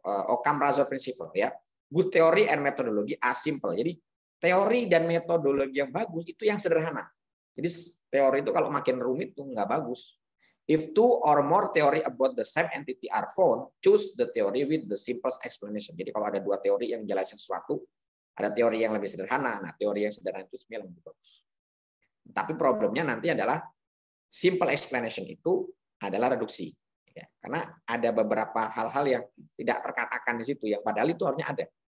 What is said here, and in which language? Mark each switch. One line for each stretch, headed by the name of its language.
English: Occam razor principle, ya. Good theory and methodology are simple.
Indonesian: Jadi teori dan metodologi yang bagus itu yang sederhana. Jadi teori itu kalau makin rumit tuh nggak bagus.
English: If two or more theory about the same entity are found, choose the theory with the simplest explanation.
Indonesian: Jadi kalau ada dua teori yang jelasin sesuatu, ada teori yang lebih sederhana. Nah, teori yang sederhana itu sebenarnya lebih bagus. Tapi problemnya nanti adalah
English: simple explanation
Indonesian: itu adalah reduksi. Ya, karena ada beberapa hal-hal yang tidak terkatakan di situ, yang padahal itu harusnya ada.